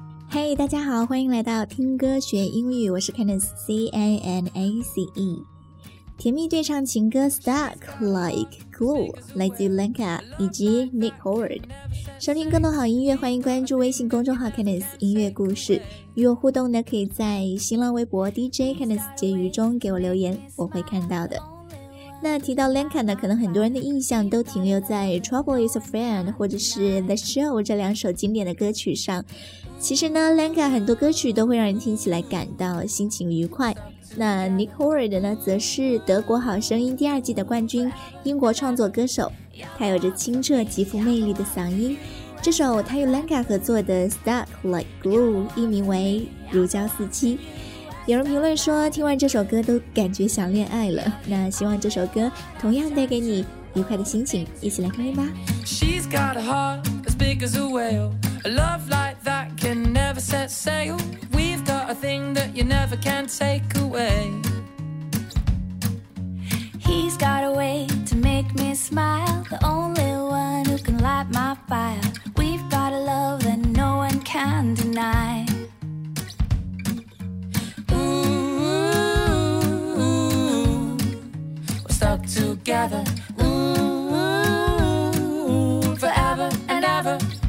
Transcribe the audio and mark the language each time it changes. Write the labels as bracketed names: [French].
[Chinese] Hey, 大家好，欢迎来到听歌学英语，我是 Candace C-A-N-A-C-E。甜蜜对唱情歌 Stuck Like Glue 来自 Lenka 以及 Nick Howard。收听更多好音乐，欢迎关注微信公众号 Candace 音乐故事，与我互动呢，可以在新浪微博 DJ Candace 结语中给我留言，我会看到的。那提到 Lenka 呢，可能很多人的印象都停留在 Trouble is a Friend 或者是 The Show 这两首经典的歌曲上。其实呢 Lenka 很多歌曲都会让人听起来感到心情愉快。那 Nick Howard 呢，则是德国好声音第二季的冠军，英国创作歌手，他有着清澈极富魅力的嗓音。这首他与 Lenka 合作的 Stuck Like Glue 译名为如胶似漆，有人评论说听完这首歌都感觉想恋爱了。那希望这首歌同样带给你愉快的心情，一起来听听吧。 [English] She's got a heart as big as a whale, a love like that can never set sail, we've got a thing that you never can take away, he's got a way to make me smile, the only one who can light my fire, we've got a love that no one can denyTogether, ooh, forever and ever.